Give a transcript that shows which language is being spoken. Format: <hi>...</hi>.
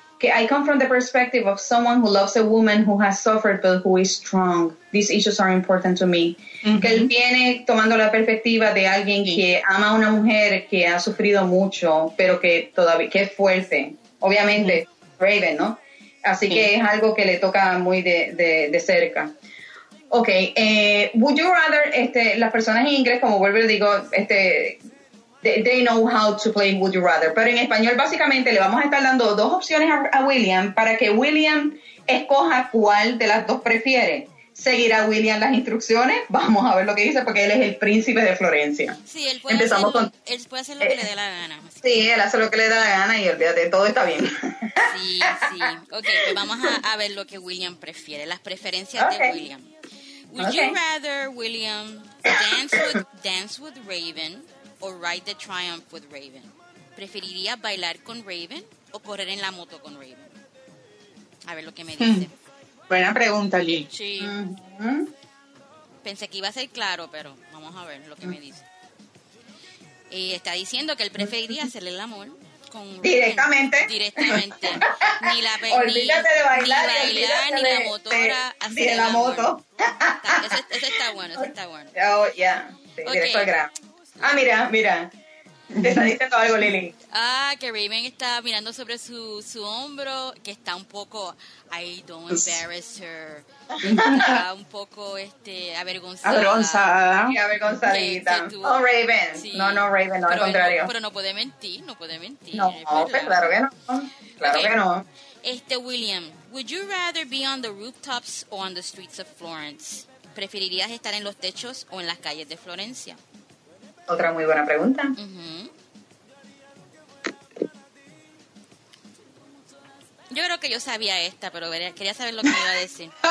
<en>I come from the perspective of someone who loves a woman who has suffered but who is strong. These issues are important to me. Mm-hmm.</en> <es>Que él viene tomando la perspectiva de alguien que ama a una mujer que ha sufrido mucho, pero que todavía, que es fuerte. Obviamente, mm-hmm. Raven, ¿no? Así que es algo que le toca muy de cerca.</es> <en>Ok, would you rather,</en> <es>las personas en inglés, como vuelvo y digo,</es> <en>they know how to play Would You Rather.</en> <es>Pero en español, básicamente, le vamos a estar dando dos opciones a William para que William escoja cuál de las dos prefiere. ¿Seguirá William las instrucciones? Vamos a ver lo que dice, porque él es el príncipe de Florencia. Sí, él puede, él puede hacer lo que le dé la gana. Sí, él hace lo que le da la gana y olvídate, todo está bien. Sí, sí. Ok, pues vamos a ver lo que William prefiere, las preferencias de William.</es> <en>Would you rather, William, dance with Raven or ride the triumph with Raven?</en> <es>¿Preferiría bailar con Raven o correr en la moto con Raven? A ver lo que me dice. Buena pregunta, Lil. Sí. Mm-hmm. Pensé que iba a ser claro, pero vamos a ver lo que me dice. Y está diciendo que él preferiría hacerle el amor con Raven. Directamente. Ni la ni la motora hacer de la moto. Eso está bueno. Oh, ya. Yeah. Sí, okay. Directo al grano. Ah, mira. Te está diciendo algo, Lili. Ah, que Raven está mirando sobre su hombro, que está un poco,</es> <en>I don't embarrass her.</en> <es>Está un poco avergonzada. Avergonzadita. Oh, Raven. Sí. No, Raven, no, al contrario. Pero no puede mentir. No, pues claro que no.</es> <en>William, would you rather be on the rooftops or on the streets of Florence?</en> <es>¿Preferirías estar en los techos o en las calles de Florencia? Otra muy buena pregunta. Uh-huh. Yo creo que yo sabía esta, pero quería saber lo que me iba a decir.</es>